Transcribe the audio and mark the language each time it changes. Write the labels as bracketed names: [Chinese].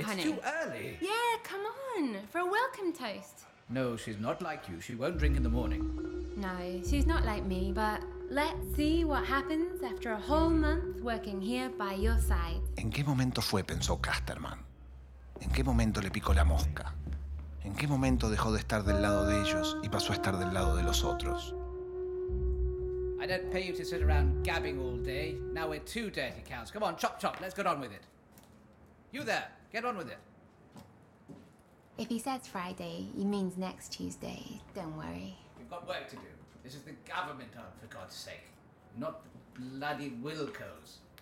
[English] it's honey? It's too early. Yeah, come on, for a welcome toast. No, she's not like you. She won't drink in the morning. No, she's not like me, but let's see what happens after a whole month working here by your side. [Spanish] ¿En qué momento fue? Pensó Casterman. ¿En qué momento le picó la mosca? ¿En qué momento dejó de estar del lado de ellos y pasó a estar del lado de los otros? [English] I don't pay you to sit around gabbing all day. Now we're two dirty cows. Come on, chop chop, let's get on with it. You there, get on with it. If he says Friday, he means next Tuesday. Don't worry. We've got work to do. This is the government, for God's sake. Not the bloody Wilcos.